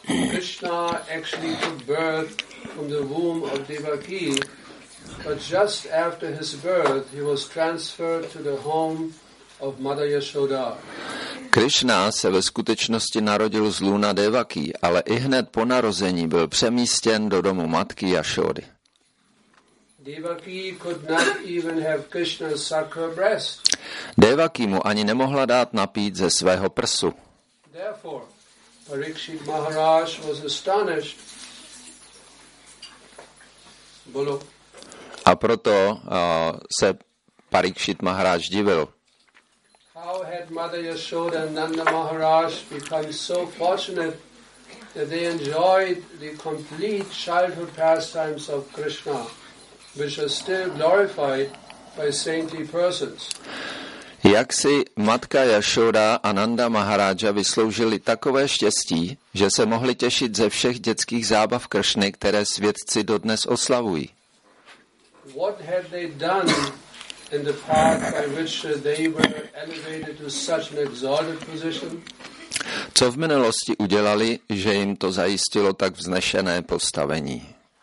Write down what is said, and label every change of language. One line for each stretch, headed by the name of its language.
English: Krishna actually took birth from the womb of Devaki, but just after his birth, he was transferred to the home of Mother Yashoda.
Czech: Krishna se ve skutečnosti narodil z lůna Devaki, ale i hned po narození byl přemístěn do domu matky Yashody.
English: Devaki could not even have Krishna's sakura breast.
Czech: Devaki mu ani nemohla dát napít ze svého prsu.
English: Therefore, Parikshit Maharaj was astonished. Bolo.
Czech: A proto se Parikshit Maharaj divil.
English: How had Mother Yashoda and Nanda Maharaj become so fortunate that they enjoyed the complete childhood pastimes of Krishna, which are still glorified by saintly persons?
Czech: Jak si matka Yashoda a Nanda Maharaja vysloužili takové štěstí, že se mohli těšit ze všech dětských zábav Kršny, které světci dodnes oslavují?
English: What had they done in the path by which they were elevated to such an exalted position?
Czech: Co v minulosti udělali, že jim to zajistilo tak vznešené postavení?